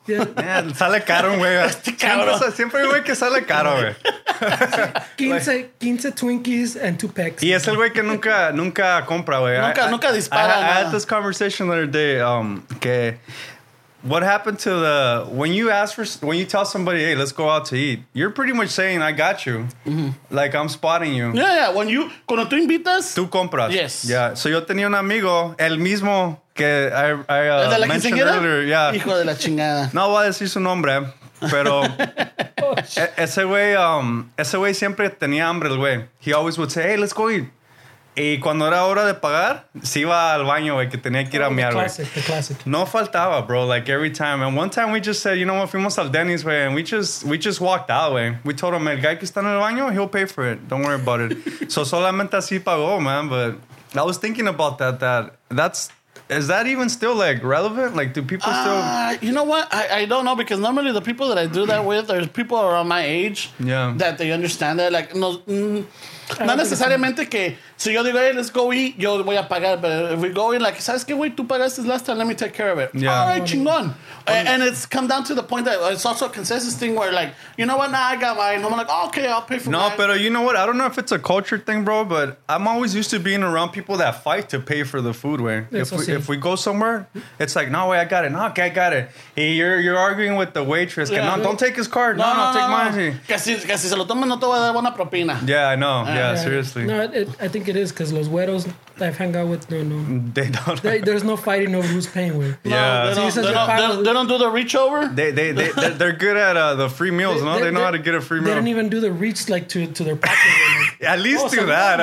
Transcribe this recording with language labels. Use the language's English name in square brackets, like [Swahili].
[Spanish] Yeah. Sale caro, güey. Este cabrón. Siempre hay güey que sale caro, güey. [English] 15 Twinkies and 2 packs. [Spanish] Y es el güey que nunca compra, güey. Nunca dispara. [English] I had this conversation the other day. What happened to the when you tell somebody, hey, let's go out to eat, you're pretty much saying, I got you. Mm-hmm. Like, I'm spotting you. Yeah. When you, [Spanish] cuando tú invitas, tú compras. [English] Yes. Yeah. [Spanish] So yo tenía un amigo, el mismo que [English] I mentioned earlier. Yeah. [Spanish] Hijo de la chingada. No voy a decir su nombre, pero ese güey siempre tenía hambre, el güey. [English] He always would say, hey, let's go eat. [Spanish] Y cuando era hora de pagar, se iba al baño, güey, que tenía que ir a mear, güey. [English] The classic. [Spanish] No faltaba, [English] bro, like every time. And one time we just said, you know what, [Spanish] fuimos al Denny's, [English] güey, and we just walked out, güey. We told him, [Spanish] el guy que está en el baño, [English] he'll pay for it. Don't worry about it. So [Spanish] solamente así pagó, [English] man. But I was thinking about that's, is that even still, like, relevant? Like, do people still... You know what? I don't know, because normally the people that I do that with are people around my age. Yeah. That they understand that, like, no... [Spanish] No necesariamente que si yo digo, hey, let's go eat, yo voy a pagar. [English] But if we go in, like, [Spanish] ¿sabes qué, güey? Tú pagaste [English] last time, let me take care of it. Yeah. All right, chingón. And it's come down to the point that it's also a consensus thing where, like, you know what? Nah, I got mine. I'm like, oh, okay, I'll pay for it. No, but you know what? I don't know if it's a culture thing, bro, but I'm always used to being around people that fight to pay for the food, güey. If we go somewhere, it's like, no, wait, I got it. No, okay, I got it. Hey, you're arguing with the waitress. Yeah. Don't take his card. No, take mine. [Spanish] Que si se lo tomen, no te voy a dar buena propina. [English] Yeah, I know. Yeah, seriously. No, I think it is because los güeros that I've hung out with, no. They don't. There's no fighting over who's paying with. They don't do the reach over. They're good at the free meals, no? They know how to get a free meal. They don't even do the reach, like, to their pocket. At least do that.